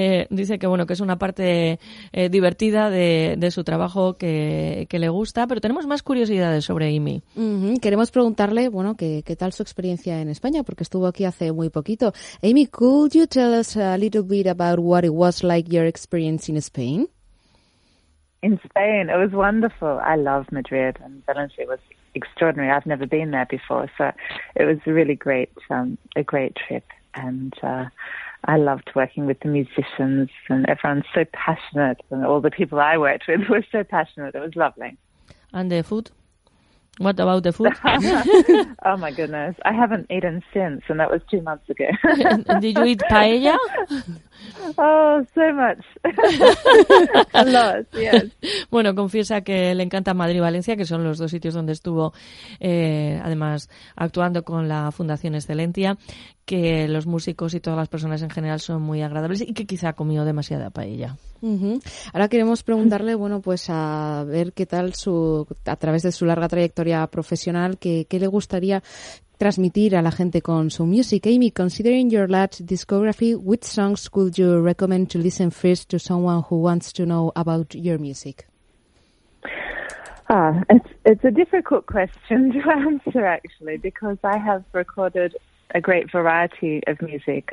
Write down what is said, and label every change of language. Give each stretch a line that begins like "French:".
Spanish: Dice que, bueno, que es una parte divertida de su trabajo que le gusta, pero tenemos más curiosidades sobre Amy. Mm-hmm. Queremos preguntarle, bueno, ¿qué tal su experiencia en España? Porque estuvo aquí hace muy poquito.
English: Amy, could you tell us a little bit about what it was like your experience in Spain? In Spain, it was wonderful. I love Madrid, and Valencia was extraordinary. I've never been there before, so it was really great, a great trip. And I loved working with the musicians, and everyone's so passionate, and all the people I worked with were so passionate. It was lovely. And the food? What about the food? Oh, my goodness. I haven't eaten since, and that was 2 months ago. Did you eat paella? Oh, so much. A lot, yes.
Spanish: Bueno, confiesa que le encanta Madrid y Valencia, que son los dos sitios donde estuvo, además, actuando con la Fundación Excelentia, que los músicos y todas las personas en general son muy agradables y que quizá comió demasiada paella. Uh-huh. Ahora queremos preguntarle, bueno, pues a ver qué tal su, a través de su larga trayectoria profesional, qué le gustaría transmitir a la gente con su music.
English: Amy, considering your large discography, which songs could you recommend to listen first to someone who wants to know about your music? It's a difficult question to answer, actually, because I have recorded a great variety of music.